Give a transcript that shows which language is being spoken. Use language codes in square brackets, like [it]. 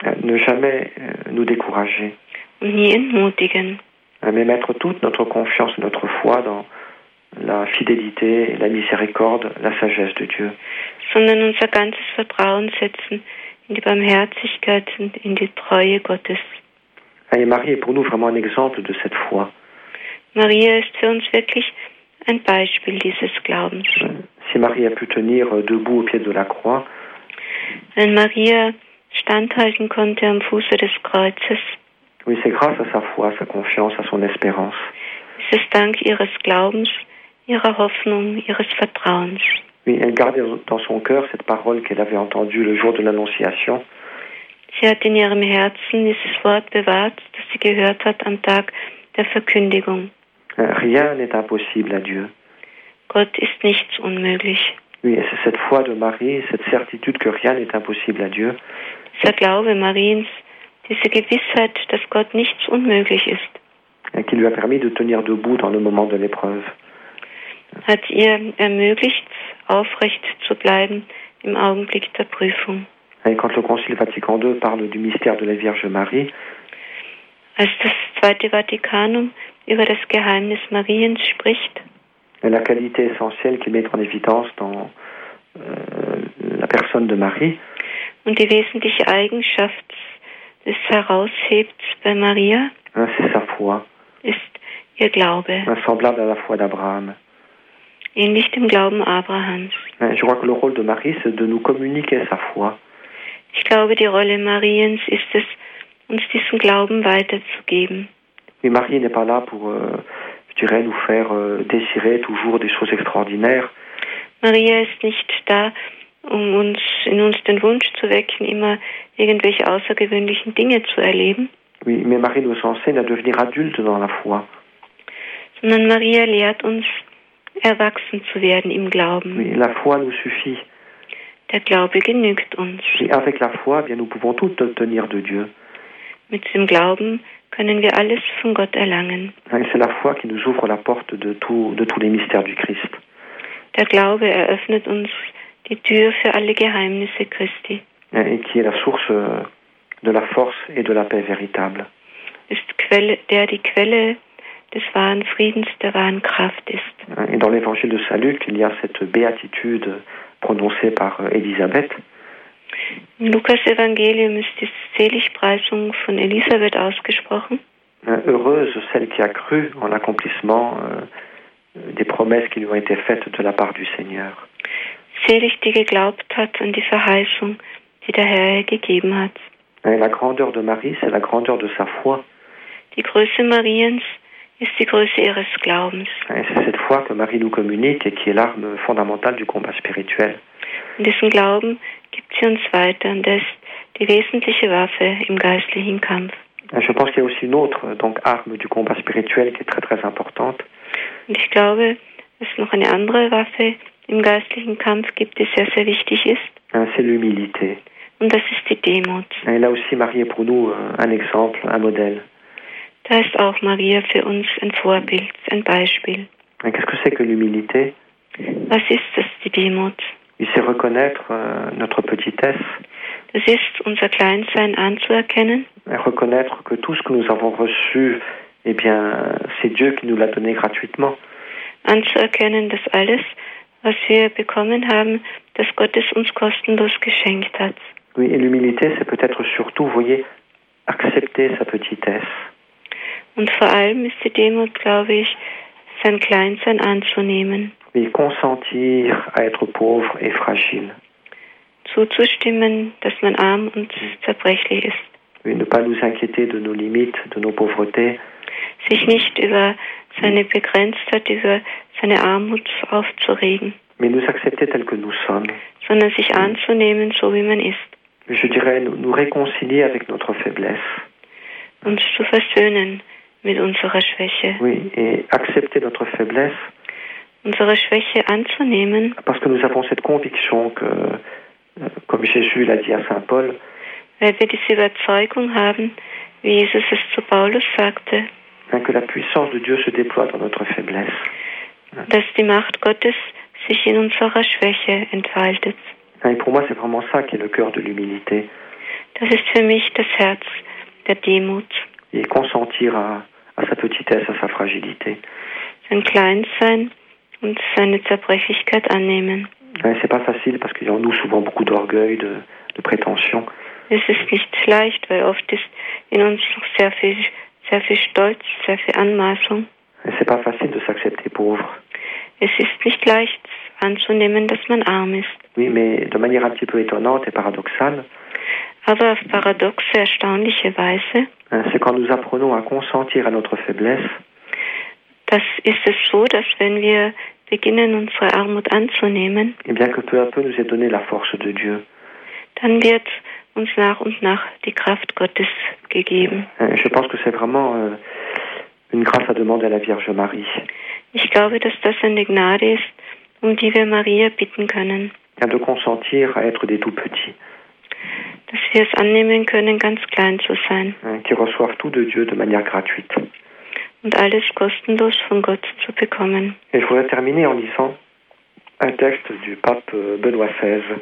[fr] Ne jamais nous décourager. [de] Und nie entmutigen. [fr] Mais mettre toute notre confiance et notre foi dans la fidélité, la miséricorde, la sagesse de Dieu. [de] Sondern unser ganzes Vertrauen setzen in die Barmherzigkeit und in die Treue Gottes. [fr] Et Marie est pour nous vraiment un exemple de cette foi. [de] Maria ist für uns wirklich ein Beispiel dieses Glaubens. [fr] Si Marie a pu tenir debout au pied de la croix. [de] Wenn Maria standhalten konnte am Fuße des Kreuzes. [fr] Oui, c'est grâce à sa foi, à sa confiance, à son espérance. [de] Es ist dank ihres Glaubens, ihrer Hoffnung, ihres Vertrauens. [fr] Oui, elle gardait dans son cœur cette parole qu'elle avait entendue le jour de l'Annonciation. [de] Sie hat in ihrem Herzen dieses Wort bewahrt, das sie gehört hat am Tag der Verkündigung. [fr] Rien n'est impossible à Dieu. [de] Gott ist nichts unmöglich. [fr] Oui, c'est cette foi de Marie, cette certitude que rien n'est impossible à Dieu. [de] Dieser Glaube Mariens, diese Gewissheit, dass Gott nichts unmöglich ist. [fr] Qui lui a permis de tenir debout dans le moment de l'épreuve. [de] Hat ihr ermöglicht, aufrecht zu bleiben im Augenblick der Prüfung. [fr] Et quand le Concile Vatican II parle du mystère de la Vierge Marie, [de] als das Zweite Vatikanum über das Geheimnis Mariens spricht, [fr] la qualité essentielle qu'il met en évidence dans la personne de Marie, [de] und die wesentliche Eigenschaft, die es heraushebt bei Maria, [fr] c'est sa foi. [de] Ist ihr Glaube. [fr] Semblable à la foi d'Abraham. [de] Ähnlich dem Glauben Abrahams. [fr] Je crois que le rôle de Marie, c'est de nous communiquer sa foi. [de] Ich glaube, die Rolle Mariens ist es, uns diesen Glauben weiterzugeben. [fr] Mais Marie n'est pas là pour, je dirais, nous faire désirer toujours des choses extraordinaires. [de] Maria ist nicht da, um uns in uns den Wunsch zu wecken, immer irgendwelche außergewöhnlichen Dinge zu erleben. [fr] Oui, mais Marie nous enseigne à devenir adulte dans la foi. [de] Sondern Maria lehrt uns, erwachsen zu werden im Glauben. [fr] Oui, la foi nous suffit. [de] Der Glaube genügt uns. [fr] Et avec la foi, bien, nous pouvons tout obtenir de Dieu. [de] Mit dem Glauben können wir alles von Gott erlangen. [fr] Et c'est la foi qui nous ouvre la porte de tous les mystères du Christ. [de] Der Glaube eröffnet uns die Tür für alle Geheimnisse Christi. [fr] Et qui est la source de la force et de la paix véritable. [de] Ist Quelle, der die Quelle des wahren Friedens, der wahren Kraft ist. [fr] Et dans l'évangile de Saint-Luc, il y a cette béatitude prononcée par Elisabeth. [de] Lukas Evangelium ist die Seligpreisung von Elisabeth ausgesprochen. [fr] Heureuse celle qui a cru en l'accomplissement des promesses qui lui ont été faites de la part du Seigneur. [de] Selig, die geglaubt hat an die Verheißung, die der Herr gegeben hat. [fr] Et la grandeur de Marie, c'est la grandeur de sa foi. [de] Die Größe Mariens ist die Größe ihres Glaubens. [fr] Et c'est cette foi que Marie nous communique et qui est l'arme fondamentale du combat spirituel. [de] Und diesen Glauben gibt sie uns weiter, und das ist die wesentliche Waffe im geistlichen Kampf. [fr] Je pense qu'il y a aussi une autre donc arme du combat spirituel qui est très très importante. [de] Und ich glaube, es ist noch eine andere Waffe im geistlichen Kampf gibt, die sehr sehr wichtig ist. [fr] C'est l'humilité. [de] Und das ist die Demut. [fr] Et là aussi Marie est pour nous un exemple, un modèle. [de] Da ist auch Maria für uns ein Vorbild, ein Beispiel. [fr] Et qu'est-ce que c'est que l'humilité? [de] Was ist das, die Demut? [fr] Il sait reconnaître notre petitesse. [de] Das ist unser Kleinsein anzuerkennen. [fr] Et reconnaître que tout ce que nous avons reçu, eh bien, c'est Dieu qui nous l'a donné gratuitement. [de] Anzuerkennen, dass alles, was wir bekommen haben, dass Gott es uns kostenlos geschenkt hat. [fr] Oui, et l'humilité, c'est peut-être surtout, voyez, accepter sa petitesse. [de] Und vor allem ist die Demut, glaube ich, sein Kleinsein anzunehmen. [fr] Oui, consentir à être pauvre et fragile. [de] Zuzustimmen, dass man arm und zerbrechlich ist. [fr] Oui, ne pas nous inquiéter de nos limites, de nos pauvretés. [de] Sich nicht über seine Begrenztheit, über seine Armut aufzuregen. [fr] Mais nous accepter tel que nous sommes. [de] Sondern sich anzunehmen, so wie man ist. [fr] Je dirais nous réconcilier avec notre faiblesse. [de] Uns zu versöhnen mit unserer Schwäche. [fr] Oui, et accepter notre faiblesse. [de] Unsere Schwäche anzunehmen. [fr] Parce que nous avons cette conviction que, comme Jésus l'a dit à Saint Paul. [de] Weil wir diese Überzeugung haben, wie Jesus es zu Paulus sagte. [fr] Que la puissance de Dieu se déploie dans notre faiblesse. [de] Dass die Macht Gottes sich in unserer Schwäche entfaltet. [fr] Et pour moi, c'est vraiment ça qui est le cœur de l'humilité. [de] Das ist für mich das Herz der Demut. [fr] Et consentir à sa petitesse, à sa fragilité. [de] Sein Kleinsein und seine Zerbrechlichkeit annehmen. [fr] Et c'est pas facile parce qu'il y a en nous souvent beaucoup d'orgueil, de prétention. [de] Es ist nicht leicht, weil oft ist in uns noch sehr viel Stolz, sehr viel Anmaßung. [fr] C'est pas facile de s'accepter pauvre. [de] Es ist nicht leicht anzunehmen, dass man arm ist. [fr] Oui, mais de manière un petit peu étonnante et paradoxale. [de] Aber auf paradoxe, erstaunliche Weise. [fr] C'est quand nous apprenons à consentir à notre faiblesse. [de] Das ist es so, dass wenn wir beginnen, unsere Armut anzunehmen. [fr] Et bien que peu à peu nous est donnée la force de Dieu. [de] Dann wird uns nach und nach die Kraft Gottes gegeben. [fr] Je pense que c'est vraiment une grâce à demander à la Vierge Marie. [de] Ich glaube, dass das eine Gnade ist, die wir Maria bitten können. [fr] Et de consentir à être des tout petits. [de] Dass wir es annehmen können, ganz klein zu sein. [fr] Qui reçoivent tout de Dieu de manière gratuite. [de] Und alles kostenlos von Gott zu bekommen. [fr] Et je voudrais terminer en lisant un texte du pape Benoît XVI.